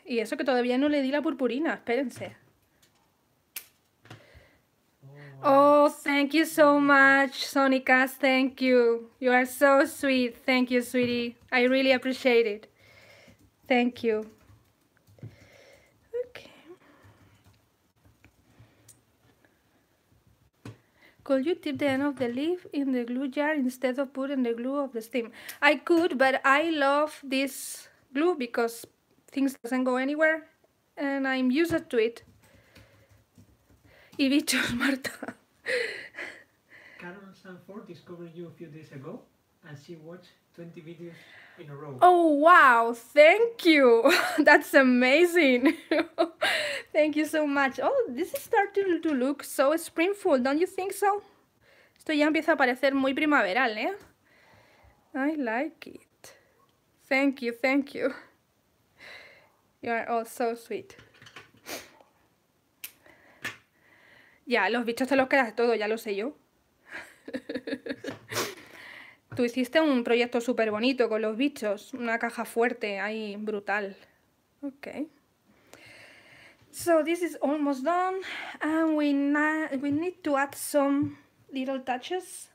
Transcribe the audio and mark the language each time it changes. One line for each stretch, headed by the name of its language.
Spanish: Y eso que todavía no le di la purpurina, espérense.
English: Oh, thank you so much, Sonicas, thank you. You are so sweet, thank you, sweetie. I really appreciate it. Thank you. Could you tip the end of the leaf in the glue jar instead of putting the glue of the steam? I could, but I love this glue because things doesn't go anywhere and I'm used to it.
Spanish: Y bichos, Marta.
English: Carol Sanford discovered you a few days ago and she watched 20 videos in a row. Oh, wow. Thank you. That's amazing. Thank you so much. Oh, this is starting to look so springful, don't you think so?
Spanish: Esto ya empieza a parecer muy primaveral, ¿eh?
English: I like it. Thank you, thank you. You are all so sweet.
Spanish: Ya, los bichos te los quedas todo, ya lo sé yo. Tú hiciste un proyecto súper bonito con los bichos. Una caja fuerte, ahí, brutal. Ok.
English: So this is almost done and we need to add some little touches.